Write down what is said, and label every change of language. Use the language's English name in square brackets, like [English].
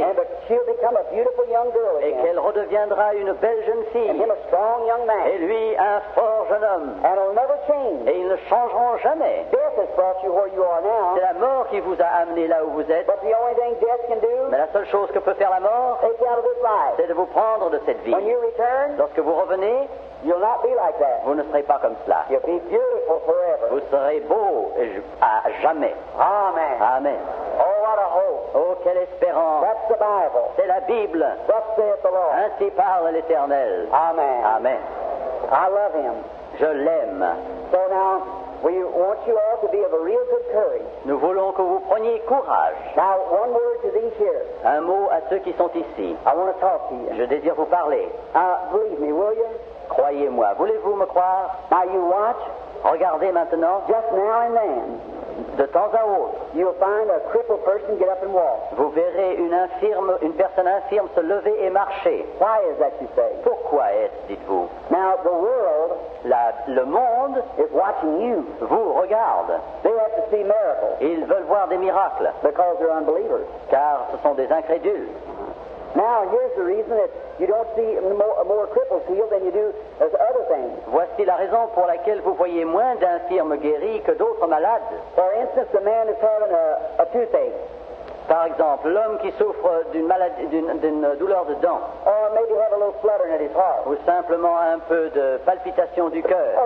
[English] and she'll become a beautiful young girl again. [French] Et qu'elle redeviendra une belle jeune fille. [English] And him a strong young man. [French] Et lui, un fort jeune homme. [English] And it'll never change. [French] Et ils ne changeront jamais. [English] Death has brought you where you are now. [French] C'est la mort qui vous a amené là où vous êtes. [English] But the only thing death can do, [French] mais la seule chose que peut faire la mort, [English] take you out of this life. [French] C'est de vous prendre de cette vie. [English] When you return, [French] lorsque vous revenez, [English] you'll not be like that. [French] Vous ne serez pas comme cela. [English] You'll be beautiful forever. [French] Vous serez beau à jamais. [English] Amen. [French] Amen. [English] Oh, what a hope. [French] Oh, quelle espérance. [English] That's the Bible. [French] C'est la Bible. [English] Thus saith the Lord. [French] Ainsi parle l'Éternel. [English] Amen. [French] Amen. [English] I love him. [French] Je l'aime. [English] So now, we want you all to be of a real good courage. [French] Nous voulons que vous preniez courage. [English] Now, one word to these here. [French] Un mot à ceux qui sont ici. [English] I want to talk to you. [French] Je désire vous parler. [English] Believe me, will you? [French] Croyez-moi. Voulez-vous me croire? [English] Now you watch. [French] Regardez maintenant. [English] Just now and then. [French] De temps à autre. [English] You'll find a crippled person get up and walk. [French] Vous verrez une personne infirme se lever et marcher. [English] Why is that, you say? [French] Pourquoi est-ce, dites-vous? [English] Now the world, [French] le monde, [English] is watching you. [French] Vous regarde. [English] They have to see miracles. [French] Ils veulent voir des miracles. [English] Because they're unbelievers. [French] Car ce sont des incrédules. [English] Now here's the reason that you don't see more cripples healed than you do as other things. [French] Voici la raison pour laquelle vous voyez moins d'infirmes guéris que d'autres malades. [English] For instance, a man is having a toothache. [French] Par exemple, l'homme qui souffre d'une douleur de dent. [English] Or maybe have a little fluttering at his heart. [French] Ou simplement un peu de palpitation du cœur.